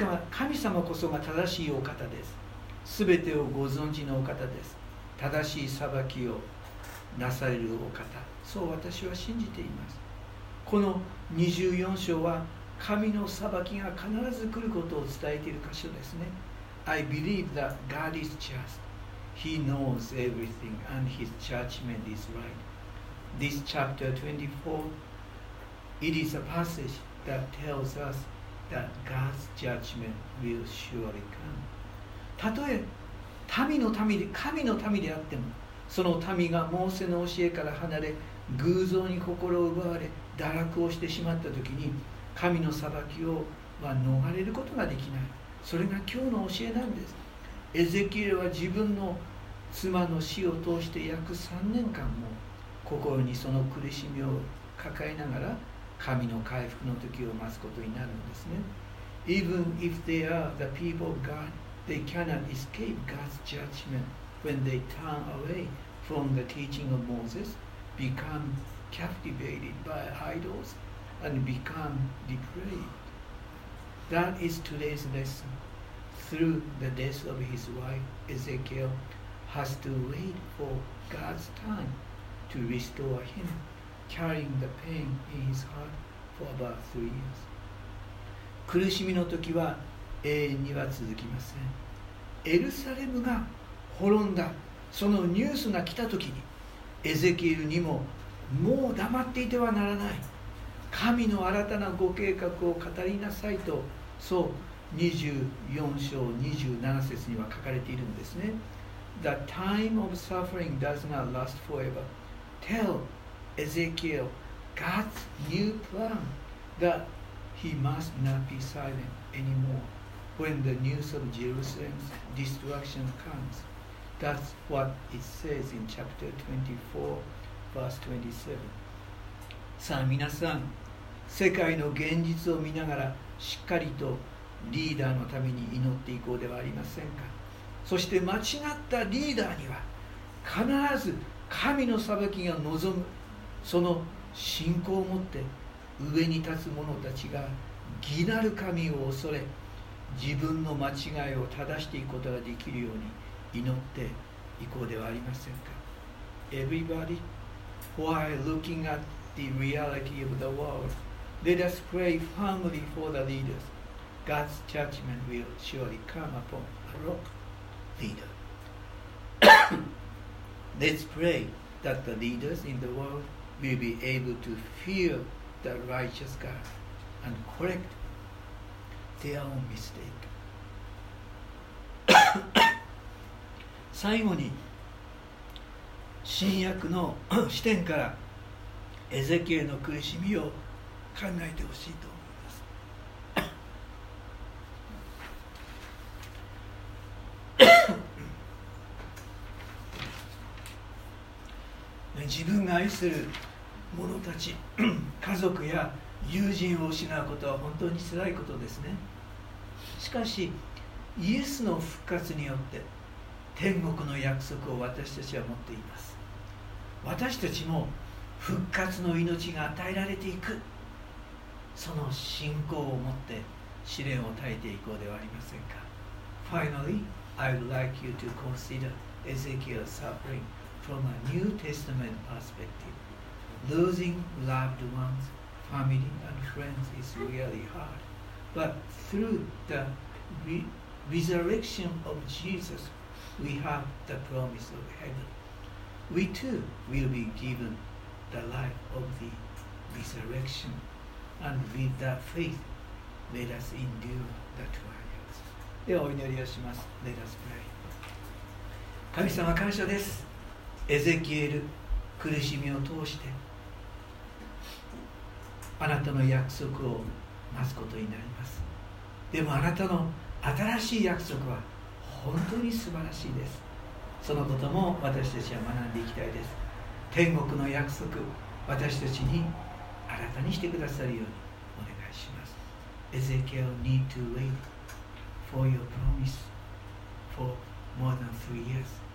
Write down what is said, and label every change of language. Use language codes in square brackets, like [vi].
[ja] 神様こそが正しいお方です。すべてをご存知のお方です。正しい裁きをなされるお方、そう私は信じています。この24章は神の裁きが必ず来ることを伝えている箇所ですね。 [en] I believe that God is just. He knows everything and His judgment is right. This chapter 24, it is a passage that tells us that God's judgment will surely come. [ja] たとえ神の民であっても、その民がモーセの教えから離れ偶像に心を奪われ堕落をしてしまった時に、神の裁きをは逃れることができない。それが今日の教えなんです。エゼキエルは自分の妻の死を通して約3年間も心にその苦しみを抱えながら神の回復の時を待つことになるんですね。 [en] Even if they are the people of GodThey cannot escape God's judgment when they turn away from the teaching of Moses, become captivated by idols, and become depraved. That is today's lesson. Through the death of his wife, Ezekiel has to wait for God's time to restore him, carrying the pain in his heart for about 3 years. [ja] 苦しみの時は永遠には続きません。エルサレムが滅んだ、そのニュースが来た時に、エゼキエルにももう黙っていてはならない、神の新たなご計画を語りなさいと、そう24章27節には書かれているんですね。 [en] The time of suffering does not last forever. Tell Ezekiel God's new plan that he must not be silent anymore when the news of Jerusalem's destruction comes. That's what it says in chapter 24, verse 27. [ja] さあ皆さん、世界の現実を見ながらしっかりとリーダーのために祈っていこうではありませんか。そして間違ったリーダーには必ず神の裁きが望む、その信仰を持って上に立つ者たちが義なる神を恐れ、自分の間違いを正していくことができるように祈っていこうではありませんか。 [en] Everybody, while looking at the reality of the world, let us pray firmly for the leaders. God's judgment will surely come upon a rock leader. Let's pray that the leaders in the world will be able to fear the righteous God and correct their own mistake. [ja] 最後に新約の視点からエゼキエルの苦しみを考えてほしいと思います。自分が愛する者たち、家族や友人を失うことは本当につらいことですね。しかしイエスの復活によって天国の約束を私たちは持っています。私たちも復活の命が与えられていく、その信仰を持って試練を耐えていこうではありませんか。 [en] Finally, I would like you to consider Ezekiel's suffering from a New Testament perspective. Losing loved ones, family and friends is really hard. But through the resurrection of Jesus, we have the promise of heaven. We too will be given the life of the resurrection. And with that faith, let us endure the trials. [ja] ではお祈りをします。 [en] Let us pray. [ja] 神様、感謝です。エゼキエル、苦しみを通してあなたの約束を待つことになります。でもあなたの新しい約束は本当に素晴らしいです。そのことも私たちは学んでいきたいです。天国の約束、私たちに新たにしてくださるようにお願いします。 [en] エゼキエル need to wait for your promise for more than 3 years.